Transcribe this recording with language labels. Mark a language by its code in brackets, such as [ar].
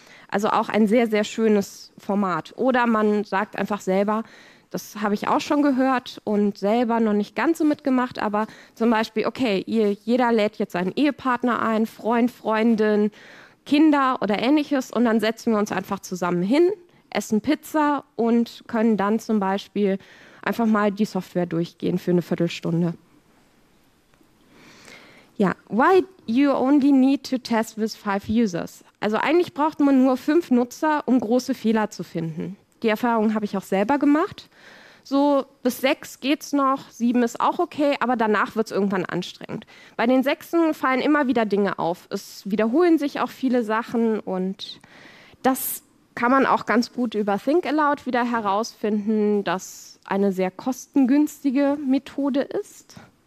[de] Also auch ein sehr, sehr schönes Format. Oder man sagt einfach selber, das habe ich auch schon gehört und selber noch nicht ganz so mitgemacht, aber zum Beispiel, okay, jeder lädt jetzt seinen Ehepartner ein, Freund, Freundin, Kinder oder Ähnliches und dann setzen wir uns einfach zusammen hin, essen Pizza und können dann zum Beispiel einfach mal die Software durchgehen für eine Viertelstunde. [en] Ja, why you only need to test with 5 users? [de] Also eigentlich braucht man nur 5 Nutzer, um große Fehler zu finden. Die Erfahrung habe ich auch selber gemacht. So bis 6 geht's noch, 7 ist auch okay, aber danach wird es irgendwann anstrengend. Bei den 6 fallen immer wieder Dinge auf. Es wiederholen sich auch viele Sachen und das kann man auch ganz gut über Think Aloud wieder herausfinden, dass eine sehr kostengünstige Methode ist.